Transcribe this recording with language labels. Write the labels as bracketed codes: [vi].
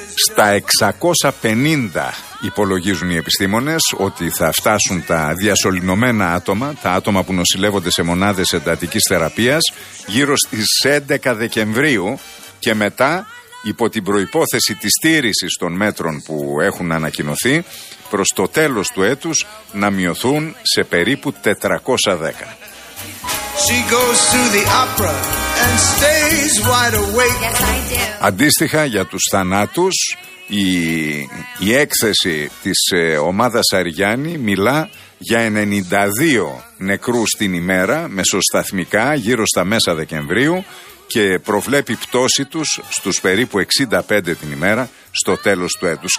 [el] Στα 650 υπολογίζουν οι επιστήμονες ότι θα φτάσουν τα διασωληνωμένα άτομα, τα άτομα που νοσηλεύονται σε μονάδες εντατικής θεραπείας, γύρω στις 11 Δεκεμβρίου και μετά, υπό την προϋπόθεση της στήρησης των μέτρων που έχουν ανακοινωθεί, προς το τέλος του έτους να μειωθούν σε περίπου 410. [en] She goes to the opera and stays wide awake. Yes, I do. [el] Αντίστοιχα για τους θανάτους, η έκθεση της ομάδας Αριγιάννη μιλά για 92 νεκρούς την ημέρα, μεσοσταθμικά γύρω στα μέσα Δεκεμβρίου, και προβλέπει πτώση τους στους περίπου 65 την ημέρα στο τέλος του έτους.